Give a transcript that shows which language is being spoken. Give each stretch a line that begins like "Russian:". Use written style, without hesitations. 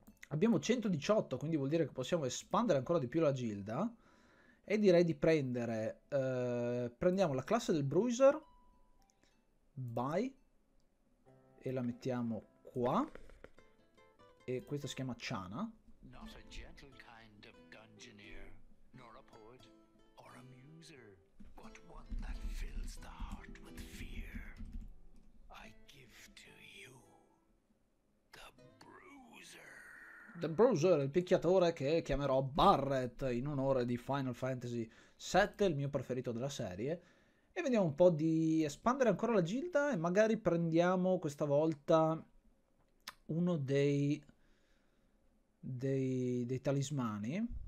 Italian: Abbiamo 118, quindi vuol dire che possiamo espandere ancora di più la gilda. E direi di prendere, prendiamo la classe del Bruiser, Bai, e la mettiamo qua. E questa si chiama Chana.
English: Not a gentle kind of dungeoneer, nor a poet or a muser, but one that fills the heart with fear. I give to you the Bruiser.
Italian: The Bruiser, il picchiatore che chiamerò Barrett in onore di Final Fantasy VII, il mio preferito della serie. E vediamo un po' di espandere ancora la gilda e magari prendiamo questa volta uno dei talismani.